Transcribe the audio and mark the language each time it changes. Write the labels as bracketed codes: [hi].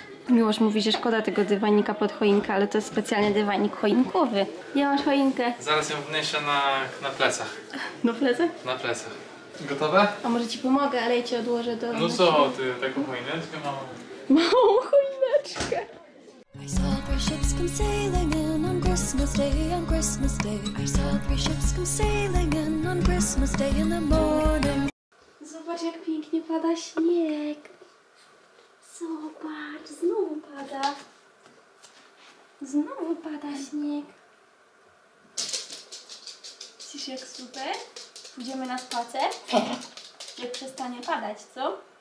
[pl] Miłosz mówi, że szkoda tego dywanika pod choinkę, ale to jest specjalnie dywanik choinkowy. Ja mam choinkę. Zaraz ją wniesie na plecach. Na plecach? Na plecach. Gotowe? A może ci pomogę, ale ja cię odłożę do... No co, ty taką choineczkę mam? Małą choineczkę. [en] I saw three ships come sailing in on Christmas Day, on Christmas Day. I saw three ships come sailing in on Christmas Day in the morning. [pl] Zobacz, jak pięknie pada śnieg. Zobacz, znowu pada. Znowu pada śnieg. Widzisz, jak super? Pójdziemy na spacer, jak przestanie padać, co?